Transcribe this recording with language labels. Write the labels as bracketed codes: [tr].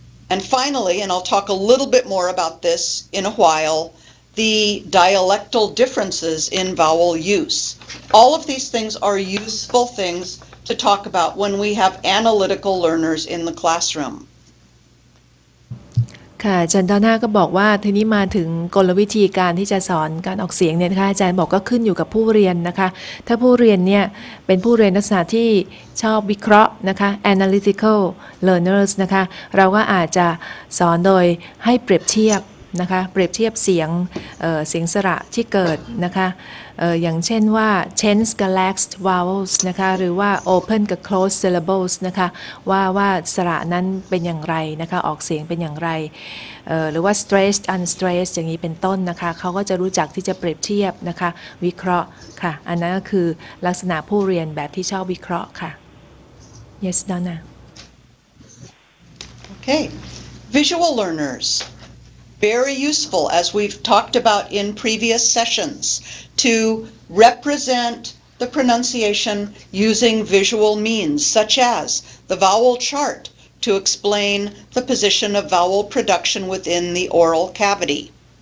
[en] And finally, and I'll talk a little bit more about this in a while, the dialectal differences in vowel use. All of these things are useful things to talk about when we have analytical learners in the classroom. [th] ค่ะอาจารย์ดอน่าก็บอกว่าทีนี้มาถึงกลวิธีการที่จะสอนการออกเสียงเนี่ยนะคะอาจารย์บอกก็ขึ้นอยู่กับผู้เรียนนะคะถ้าผู้เรียนเนี่ยเป็นผู้เรียนลักษณะที่ชอบวิเคราะห์นะคะ analytical learners นะคะเราก็อาจจะสอนโดยให้เปรียบเทียบนะคะเปรียบเทียบเสียง เสียงสระที่เกิดนะคะ อย่างเช่นว่า tense กับ lax vowels นะคะหรือว่า open กับ closed syllables นะคะว่าสระนั้นเป็นอย่างไรนะคะออกเสียงเป็นอย่างไร หรือว่า stressed unstressed อย่างนี้เป็นต้นนะคะเขาก็จะรู้จักที่จะเปรียบเทียบนะคะวิเคราะห์ค่ะอันนั้นก็คือลักษณะผู้เรียนแบบที่ชอบวิเคราะห์ค่ะ [en] yes Donna okay visual learnersVery useful, as we've talked about in previous sessions, to represent the pronunciation using visual means, such as the vowel chart to explain the position of vowel production within the oral cavity.